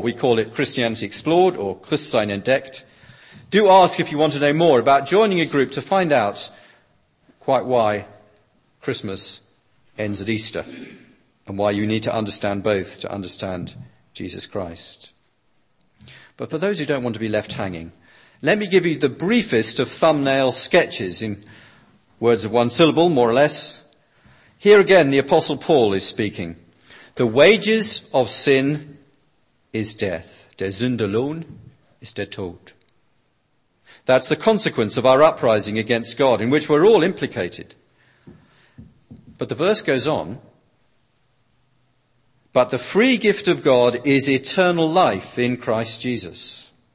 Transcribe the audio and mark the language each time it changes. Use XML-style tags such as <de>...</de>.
<en>We call it Christianity Explored, or Christsein Entdeckt. Do ask if you want to know more about joining a group to find out quite why Christmas ends at Easter, and why you need to understand both to understand Jesus Christ. But for those who don't want to be left hanging, let me give you the briefest of thumbnail sketches in words of one syllable, more or less. Here again, the Apostle Paul is speaking. The wages of sin is death.</en> <de>Der Sünde Lohn ist der Tod.</de> <en>That's the consequence of our uprising against God, in which we're all implicated. But the verse goes on. But the free gift of God is eternal life in Christ Jesus.</en>